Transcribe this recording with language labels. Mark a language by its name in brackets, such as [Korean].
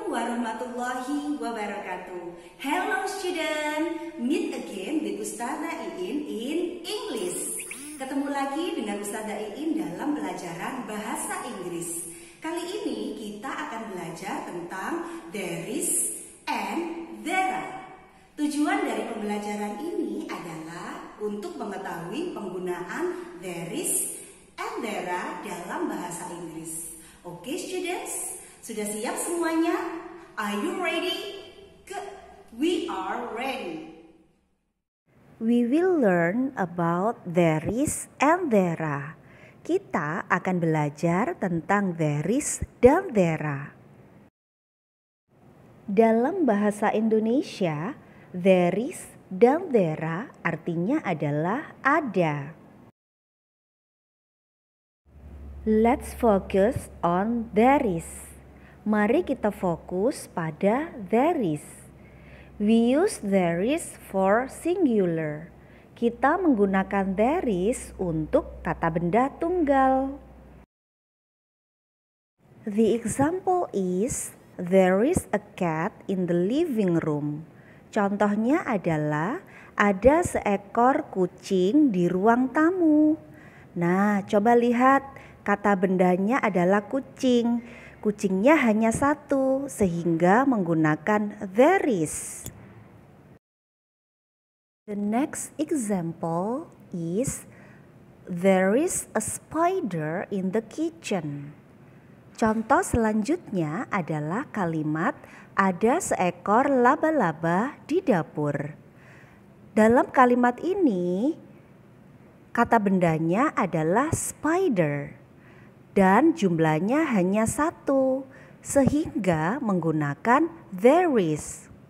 [English] Hello student, meet again with Ustazah Iin in English. [Indonesian] Ketemu lagi dengan Ustazah Iin dalam pelajaran bahasa Inggris. Kali ini kita akan belajar tentang [English] there is and there are. [Indonesian] Tujuan dari pembelajaran ini adalah untuk mengetahui penggunaan [English] there is and there are [Indonesian] dalam bahasa Inggris. Oke students, sudah siap semuanya? [English] Are you ready? We are ready. We will learn about there is and there are. [Indonesian] Kita akan belajar tentang there is dan there are. Dalam bahasa Indonesia, there is dan there are artinya adalah ada. [English] Let's focus on there is. [Indonesian] Mari kita fokus pada [English] there is. We use there is for singular. [Indonesian] Kita menggunakan there is untuk kata benda tunggal. [English] The example is there is a cat in the living room. [Indonesian] Contohnya adalah ada seekor kucing di ruang tamu. Nah, coba lihat kata bendanya adalah kucing. Kucingnya hanya satu, sehingga menggunakan there is. The next example is there is a spider in the kitchen. Contoh selanjutnya adalah kalimat ada seekor laba-laba di dapur. Dalam kalimat ini kata bendanya adalah spider dan jumlahnya hanya satu sehingga menggunakan there is.